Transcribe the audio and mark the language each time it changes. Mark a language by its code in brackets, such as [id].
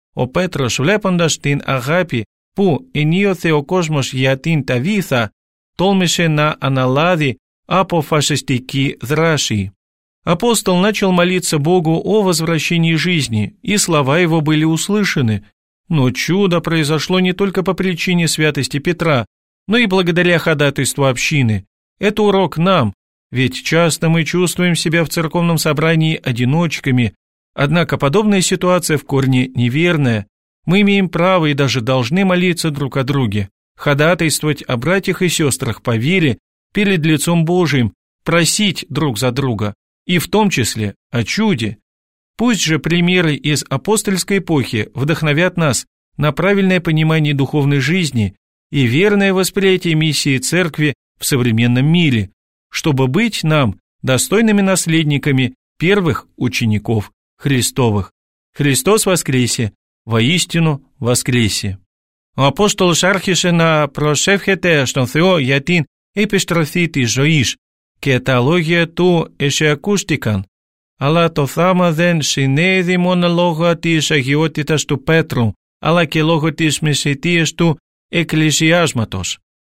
[el] О Петрош влепондаш тин агапи, που ενίωθε ο κόσμος για την Ταβίθα, τόλμησε να αναλάβει αποφασιστική δράση. [ru] Апостол начал молиться Богу о возвращении жизни, и слова его были услышаны. Но чудо произошло не только по причине святости Петра, но и благодаря ходатайству общины. Это урок нам, ведь часто мы чувствуем себя в церковном собрании одиночками, однако подобная ситуация в корне неверная. Мы имеем право и даже должны молиться друг о друге, ходатайствовать о братьях и сестрах по вере перед лицом Божиим, просить друг за друга, и в том числе о чуде. Пусть же примеры из апостольской эпохи вдохновят нас на правильное понимание духовной жизни и верное восприятие миссии Церкви в современном мире, чтобы быть нам достойными наследниками первых учеников Христовых. Христос воскресе! Воистину воскресе. [el] Ο Απόστολος άρχισε να προσεύχεται στον Θεό για την επιστροφή της ζωής και τα λόγια του εσιακούστηκαν, αλλά το θάμα δεν συνέδει μόνο λόγω της αγιότητας του Πέτρου, αλλά και λόγω της μεσητείας του εκκλησιάσματος.